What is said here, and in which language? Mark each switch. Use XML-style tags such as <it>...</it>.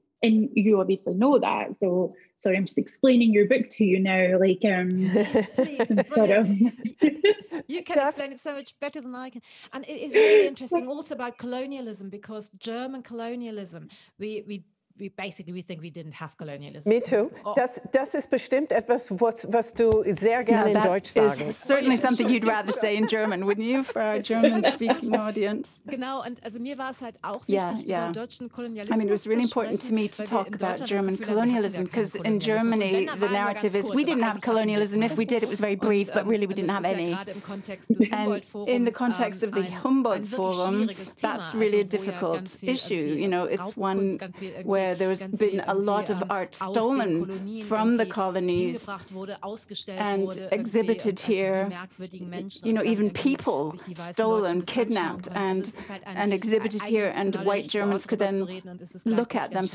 <en>And you obviously know that, so sorry, I'm just explaining your book to you now. Like, you can explain it so much better than I can. And it is really interesting also about colonialism, because German colonialism, we think we didn't have colonialism. Me too.</en> <de>Das ist bestimmt etwas, was du sehr gerne in Deutsch sagen.</de> <en>Is certainly something you'd rather say in German, wouldn't you, for our German-speaking audience?</en> <de>Genau, und also mir war es halt auch wichtig, über deutschen Kolonialismus.</de> <en>I mean, it was really important to me to talk about German colonialism, because in Germany the narrative is, we didn't have colonialism. If we did, it was very brief, but really we didn't have any. And in the context of the Humboldt Forum, that's really a difficult issue. You know, it's one where there's been a lot of art stolen from the colonies and exhibited here, you know, even people stolen, kidnapped and exhibited here, and white Germans could then look at them.</en>